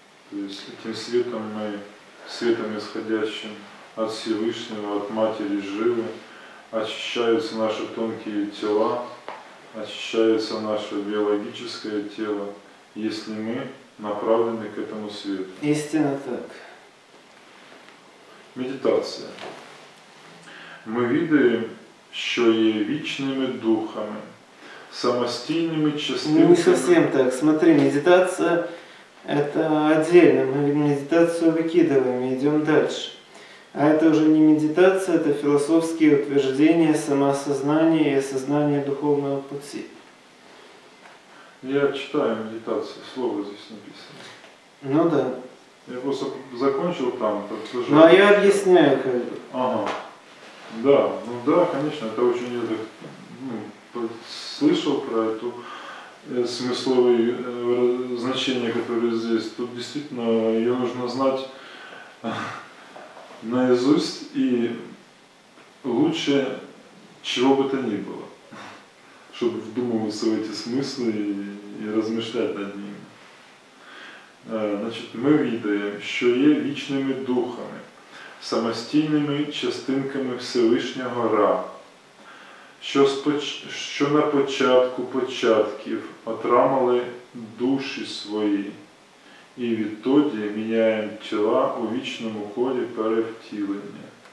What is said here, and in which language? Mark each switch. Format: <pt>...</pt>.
<ru>То есть этим светом мы, светом исходящим от Всевышнего, от Матери Живы, очищаются наши тонкие тела, очищается наше биологическое тело, если мы направленный к этому свету. Истинно так. Медитация. Мы видим, что</ru> <uk>є вічними духами, самостійними частинками.</uk> <ru>Не совсем так. Смотри, медитация – это отдельно. Мы медитацию выкидываем и идем дальше. А это уже не медитация, это философские утверждения, самоосознание и осознание духовного пути. Я читаю медитацию, слово здесь написано. Ну да. Я просто закончил там. Ну а я объясняю как бы. Ага. Да, ну да, конечно, это очень я так, слышал про эту смысловое значение, которое здесь. Тут действительно ее нужно знать наизусть и лучше чего бы то ни было, чтобы вдумываться в эти смыслы и размышлять над ними. Значит, мы видим, что</ru> <uk>є вічними духами, самостійними частинками Всевишнього Ра, що на початку початків отримали душі свої, і відтоді міняємо тіла у вічному ході перевтілення.</uk>